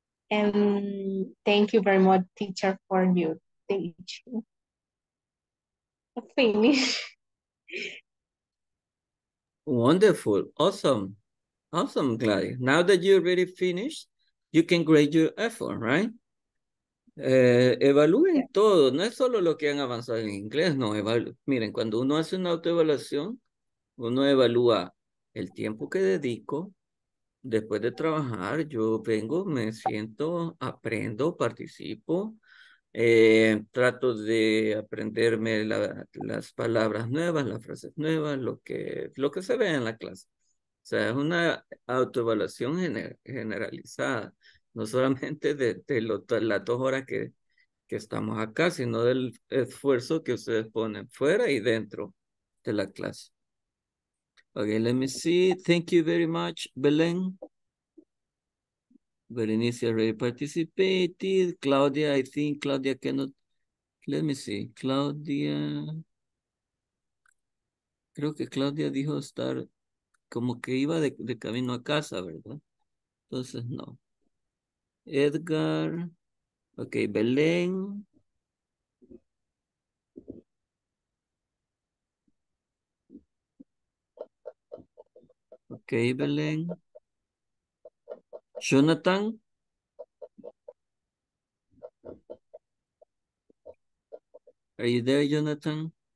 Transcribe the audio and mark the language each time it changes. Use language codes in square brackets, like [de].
[en] And thank you very much, teacher, for your teaching. Finish. Wonderful. Awesome. Awesome, Gladys. Now that you're already finished, you can grade your effort, right? [es] Evalúen todo, no es solo lo que han avanzado en inglés, no, miren, cuando uno hace una autoevaluación, uno evalúa el tiempo que dedico, después de trabajar, yo vengo, me siento, aprendo, participo, trato de aprenderme las palabras nuevas, las frases nuevas, lo que se ve en la clase, o sea, es una autoevaluación generalizada. No solamente de las 2 horas que estamos acá, sino del esfuerzo que ustedes ponen fuera y dentro de la clase. [en] Okay, let me see. Thank you very much, Belén. Berenice already participated. Claudia, I think Claudia cannot. Let me see. Claudia. [es] Creo que Claudia dijo estar como que iba de camino a casa, ¿verdad? Entonces, no. [en] Edgar, okay, Belén, okay, Belén, Jonathan, are you there, Jonathan?